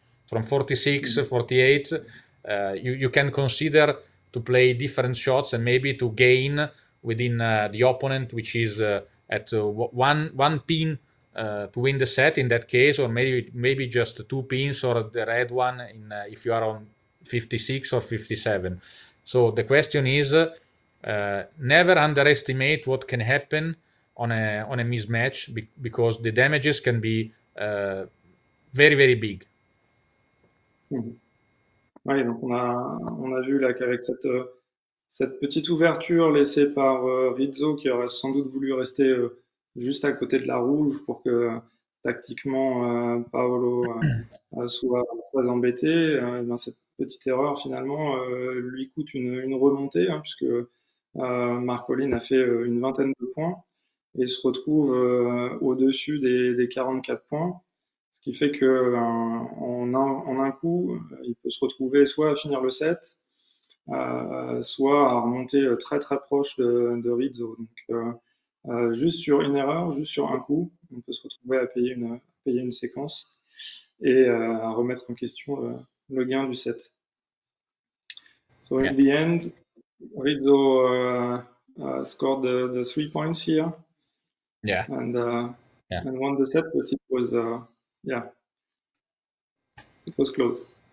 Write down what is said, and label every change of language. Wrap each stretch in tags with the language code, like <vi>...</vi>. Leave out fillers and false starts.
<en>From 46, 48 you can consider to play different shots and maybe to gain within the opponent, which is at one pin to win the set in that case, or maybe just two pins or the red one in if you are on 56 or 57. So the question is never underestimate what can happen on a mismatch because the damages can be very, very big. Mm-hmm.</en> <fr>Ouais, donc on a vu là qu'avec cette petite ouverture laissée par Rizzo, qui aurait sans doute voulu rester juste à côté de la rouge pour que tactiquement Paolo soit très embêté, cette petite erreur finalement lui coûte une remontée, hein, puisque Marcolin a fait une vingtaine de points et se retrouve au-dessus des 44 points, ce qui fait qu'en un coup, il peut se retrouver soit à finir le set, soit à remonter très très proche de Rizzo. Donc juste sur une erreur, juste sur un coup, on peut se retrouver à payer une séquence et à remettre en question le gain du set.</fr> <en>So in the end, Rizzo scored the 3 points here. Yeah. And won the set, but it was it was close.</en>